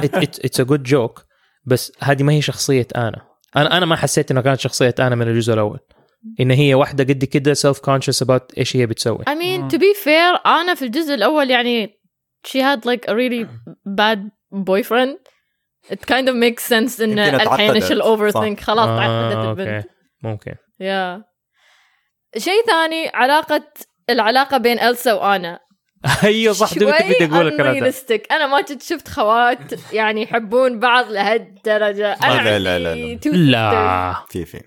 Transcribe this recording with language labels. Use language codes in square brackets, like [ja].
[ar] لا [en] it's a good joke [ar] بس هذه ما هي شخصية انا ما حسيت انه كانت شخصية انا من الجزء الاول، إن هي واحدة قد كده [en] self conscious about [ar] إيش هي بتسوي. [en] I mean to be fair [ar] أنا في الجزء الأول يعني [en] she had like a really bad boyfriend. it kind of makes sense [ar] إن الحين [en] she'll overthink. [ar] خلاص تعقدت البنت. ممكن. [en] yeah. [ar] شيء ثاني علاقة العلاقة بين إلسا وأنا. ايوه صح دوبي بدي اقول لك انا انا ما شفت خوات يعني يحبون بعض لهالدرجه. لا لا لا لا لا في في